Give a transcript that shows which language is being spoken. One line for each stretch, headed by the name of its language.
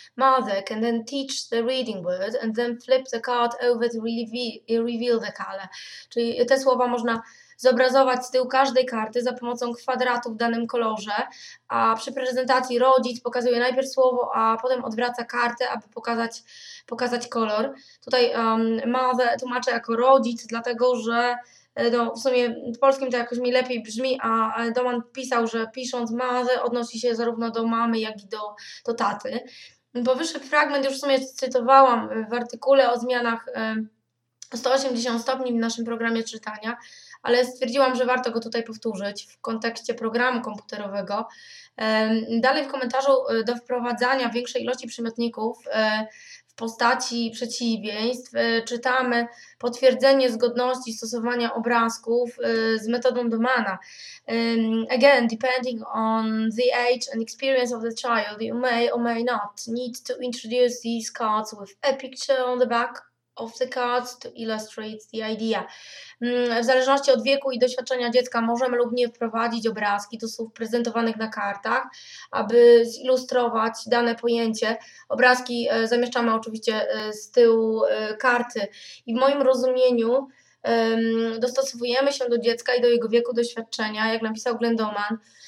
English: Mother can then teach the reading word and then flip the card over to reveal the color."
Polish: Czyli te słowa można zobrazować z tyłu każdej karty za pomocą kwadratu w danym kolorze, a przy prezentacji rodzic pokazuje najpierw słowo, a potem odwraca kartę, aby pokazać kolor. Tutaj mother tłumaczę jako rodzic, dlatego że no, w sumie w polskim to jakoś mi lepiej brzmi, a Doman pisał, że pisząc mother odnosi się zarówno do mamy, jak i do taty. Powyższy fragment już w sumie cytowałam w artykule o zmianach 180 stopni w naszym programie czytania, ale stwierdziłam, że warto go tutaj powtórzyć w kontekście programu komputerowego. Dalej w komentarzu do wprowadzania większej ilości przymiotników w postaci przeciwieństw czytamy potwierdzenie zgodności stosowania obrazków z metodą Domana.
English: Again, depending on the age and experience of the child, you may or may not need to introduce these cards with a picture on the back of the cards to illustrate the idea.
Polish: W zależności od wieku i doświadczenia dziecka możemy lub nie wprowadzić obrazki do słów prezentowanych na kartach, aby zilustrować dane pojęcie. Obrazki zamieszczamy oczywiście z tyłu karty. I w moim rozumieniu dostosowujemy się do dziecka i do jego wieku doświadczenia, jak napisał Glenn Doman.